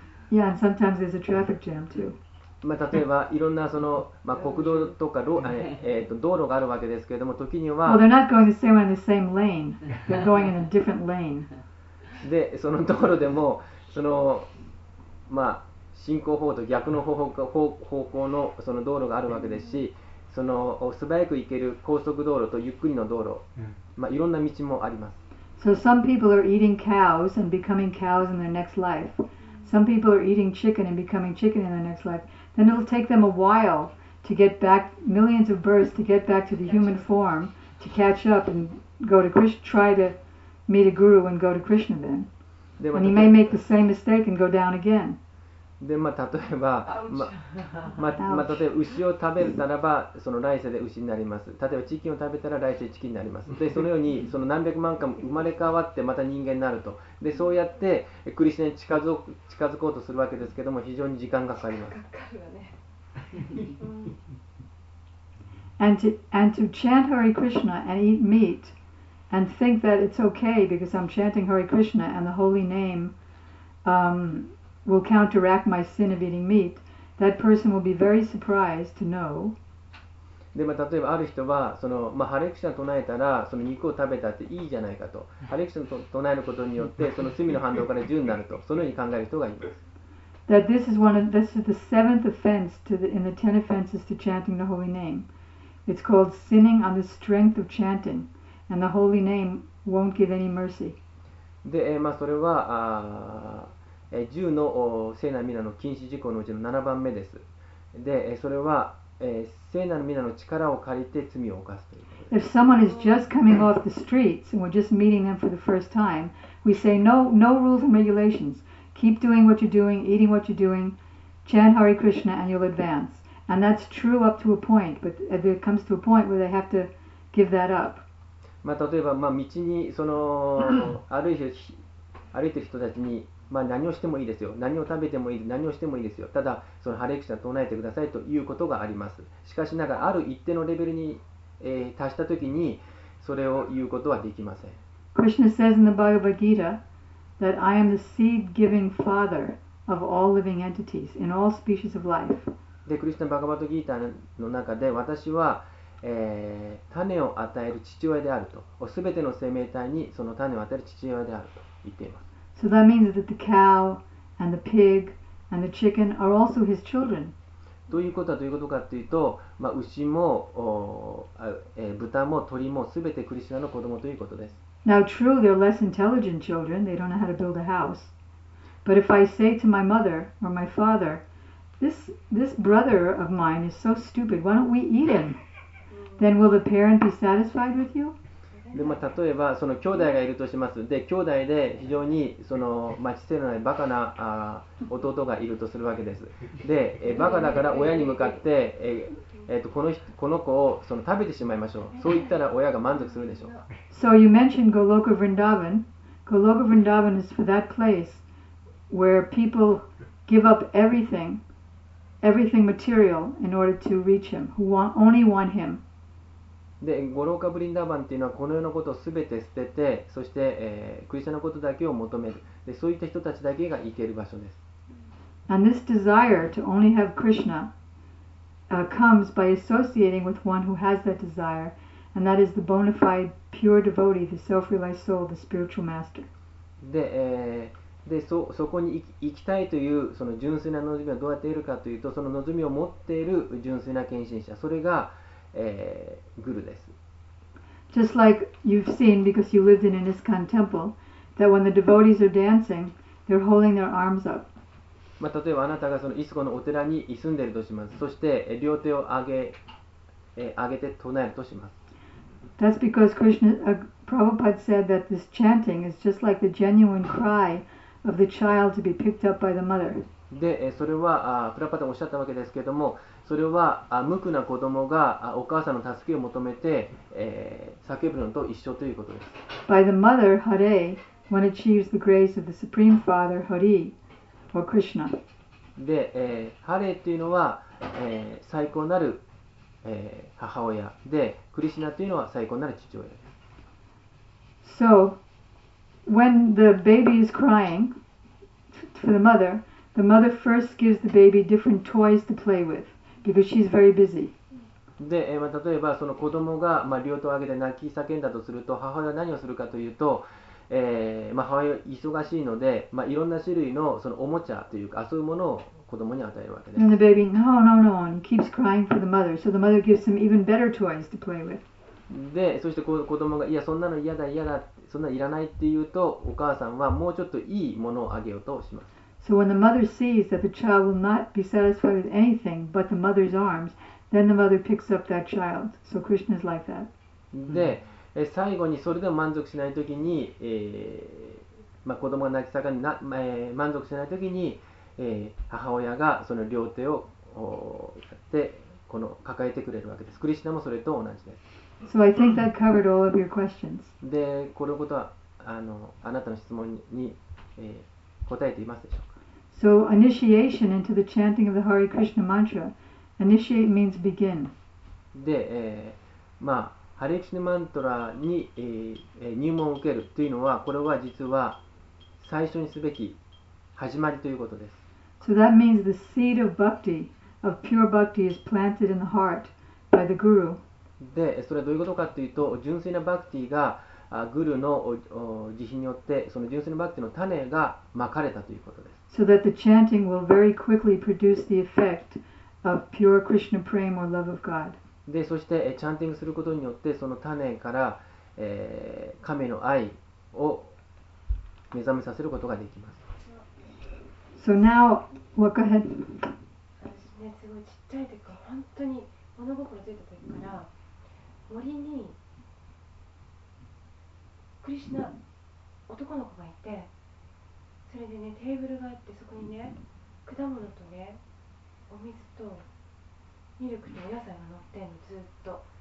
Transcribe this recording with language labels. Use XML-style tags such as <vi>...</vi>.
<en>Yeah, and sometimes there's a traffic jam too.</en> <ja>まあ、例えばいろんなその、まあ、国道とか道路があるわけですけれども、時には</ja> <en>Well, they're not going the same way in the same lane. They're going in a different lane.</en> <ja>で、その道路でもその、まあ、進行方向と逆の方向のその道路があるわけですし、その素早く行ける高速道路とゆっくりの道路、まあ、いろんな道もあります。</ja> <en>So some people are eating cows and becoming cows in their next life. Some people are eating chicken and becoming chicken in their next life. Then it'll take them a while to get back, millions of births, to get back to the human form, to catch up and go to Krishna, try to meet a guru and go to Krishna then.</en> <ja>で、</ja> <en>and he may make the same mistake and go down again.</en> <ja>で、まあ、例えば、まあ、例えば牛を食べたらば、その来世で牛になります。例えばチキンを食べたら来世チキンになります。で、そのようにその何百万回も生まれ変わってまた人間になると。で、そうやってクリシナに近づこうとするわけですけども、非常に時間がかかります。</ja> <en>And to chant Hare Krishna and eat meat and think that it's okay because I'm chanting Hare Krishna and the holy name, will counteract my sin of eating meat, that person will be very surprised to know.</en> <ja>で、まあ、例えばある人はその、まあ、ハレクシナ唱えたらその肉を食べたっていいじゃないかと、ハレクシナ唱えることによってその罪の反動から自由になると、そのように考える人がいます。</ja> <en>That this is one of, this is the seventh offense to the, in the ten offenses to chanting the holy name. It's called sinning on the strength of chanting, and the holy name won't give any mercy.</en> <ja>で、まあ、それは、10の聖なる皆の禁止事項のうちの7番目です。で、それは、聖なる皆の力を借りて罪を犯すということです。</ja> <en>If someone is just coming off the streets and we're just meeting them for the first time, we say no rules and regulations. Keep doing what you're doing, eating what you're doing, chant Hare Krishna and you'll advance. And that's true up to a point, but there comes to a point where they have to give that up.</en> <ja>まあ、例えば、まあ、道にその歩いてる人たちに、まあ、何をしてもいいですよ。何を食べてもいい、何をしてもいいですよ。ただそのハレクシナを唱えてくださいということがあります。しかしながらある一定のレベルに、達したときにそれを言うことはできません。</ja> <en>Krishna says in the Bhagavad Gita that I am the seed-giving father of all living entities in all species of life.</en> <ja>で、クリシュナ・バガヴァッド・ギータの中で私は、種を与える父親であると、すべての生命体にその種を与える父親であると言っています。</ja> <en>So that means that the cow and the pig and the chicken are also his children.</en> <ja>ということかというと、まあ、牛も、豚も鳥もすべてクリシュナの子供ということです。</ja> <en>Now true, they're less intelligent children. They don't know how to build a house. But if I say to my mother or my father, this brother of mine is so stupid, why don't we eat him? Then will the parent be satisfied with you?</en> <ja>でまあ、例えばその兄弟がいるとします。で兄弟で非常にその、まあ、知性のないバカな弟がいるとするわけです。でバカだから親に向かって、この子をその食べてしまいましょう。そう言ったら親が満足するでしょうか。</ja> <en>So you mentioned Goloka Vrindavan. Goloka Vrindavan is for that place where people give up everything material in order to reach him, who only want him.</en> <ja>で、ゴローカ・ブリンダーバンというのはこの世のことをすべて捨てて、そして、クリシュナのことだけを求める。で、そういった人たちだけが行ける場所です。</ja> <en>And this desire to only have Krishna comes by associating with one who has that desire, and that is the bona fide pure devotee, the self-realized soul, the spiritual master.</en> <ja>で、で、そこに行きたいというその純粋な望みをどうやって得るかというと、その望みを持っている純粋な献身者、それが、グルです。</ja> <en>Just like you've seen because you lived in ISKCON temple, that when the devotees are dancing, they're holding their arms up.</en> <ja>まあ、例えばあなたがそのイスコのお寺に住んでいるとします。そして両手を上げて唱えるとします。</ja> <en>That's because Krishna, Prabhupada said that this chanting is just like the genuine cry of the child to be picked up by the mother.</en> <ja>で、それはプラパタもおっしゃったわけですけれども、それは無垢な子供がお母さんの助けを求めて、叫ぶのと一緒ということです。</ja> <en>By the mother, Hare, one achieves the grace of the Supreme Father, Hari, or Krishna.</en> <ja>で、Hare っていうのは、最高なる、母親で、Krishna というのは最高なる父親です。</ja> <en>So, when the baby is crying for the mother first gives the baby different toys to play with. Because she's very busy.</en> <ja>で、まあ、例えばその子供が、まあ、両手を上げて泣き叫んだとすると、母親は何をするかというと、まあ、母親は忙しいので、まあ、いろんな種類 の, そのおもちゃというか、そういうものを子供に与えるわけです。</ja> <en>And the baby, no, no, no, and keeps crying for the mother. So the mother gives some even better toys to play with.</en> <ja>で、そして子供が、いや、そんなの嫌だ、嫌だ、そんなのいらないっていうと、お母さんはもうちょっといいものをあげようとします。</ja> <en>So when the mother sees that the child will not be satisfied with anything but the mother's arms, then the mother picks up that child. So Krishna is like that.</en> <ja>で、最後にそれでも満足しないときに、まあ、子供が泣き叫んで、満足しないときに、母親がその両手をやってこの抱えてくれるわけです。クリシナもそれと同じです。</ja> <en>So I think that covered all of your questions.</en> <ja>で、このことはあなたの質問に、答えていますでしょうか。</ja> <en>So initiation into the chanting of the Hare Krishna mantra. Initiate means begin.</en> <ja>で、まあ、ハレクシナマントラに、入門を受けるというのは、これは実は最初にすべき始まりということです。</ja> <en>So that means the seed of bhakti, of pure bhakti, is planted in the heart by the guru.</en> <ja>で、それはどういうことかというと、純粋なバクティがグルの慈悲によってその純粋なバクティの種がまかれたということです。</ja> <en>So that the chanting will very quickly produce the effect of pure Krishna prem or love of God.</en> <ja>で、そしてチャンティングすることによってその種から、神の愛を目覚めさせることができます。</ja> <en>So now, walk ahead.</en> <ja>私ね、すごいちっちゃい時か本当に物心ついた時から森にクリシナ男の子がいて、それでね、テーブルがあってそこにね、果物とね、お水とミルクとお野菜が乗ってんの、ずっと。</ja>